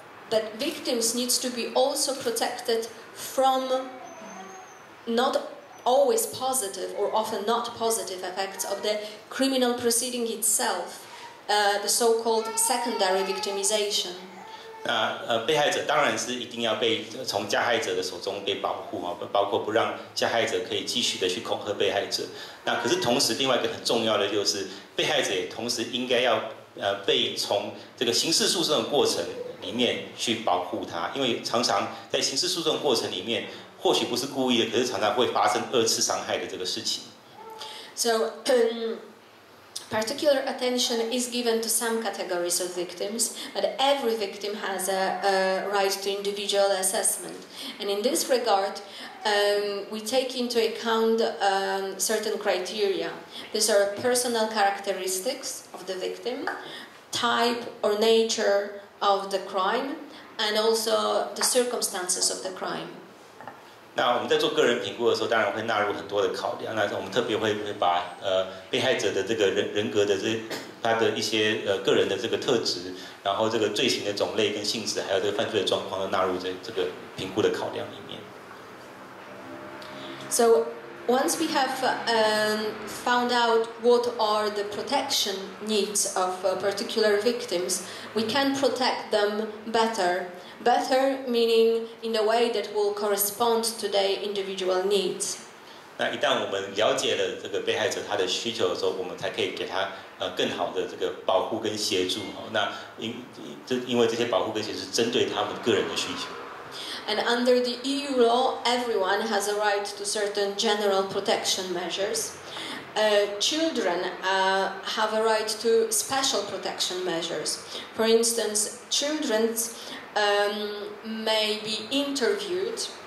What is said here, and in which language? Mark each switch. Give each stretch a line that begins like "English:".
English: But victims need to be also protected from not always positive or often not positive effects of the criminal proceeding itself, the so-called secondary victimization.
Chinese: 那被害者当然是一定要被从加害者的手中被保护啊，包括不让加害者可以继续的去恐吓被害者。那可是同时另外一个很重要的就是，被害者也同时应该要被从这个刑事诉讼的过程。里面去保护他，因为常常在刑事诉讼过程里面，或许不是故意的，可是常常会发生二次伤害的这个事情。
English: So, particular attention is given to some categories of victims, but every victim has a right to individual assessment. And in this regard, we take into account certain criteria. These are personal characteristics of the victim, type or nature. Of the crime and also the circumstances of the crime.
Chinese: 那我们在做个人评估的时候，当然会纳入很多的考量。那我们特别会把被害者的这个人格的这他的一些个人的这个特质，然后这个罪行的种类跟性质，还有这个犯罪的状况，都纳入在这个评估的考量里面。
English: So once we have found out what are the protection needs of particular victims. We can protect them better. Better meaning in a way that will correspond to their individual needs.
Chinese: 那一旦我们了解了这个被害者他的需求的时候，我们才可以给他更好的这个保护跟协助。那因为这些保护跟协助是针对他们个人的需求。
English: And under the EU law, everyone has a right to certain general protection measures. Children have a right to special protection measures. For instance, children may be interviewed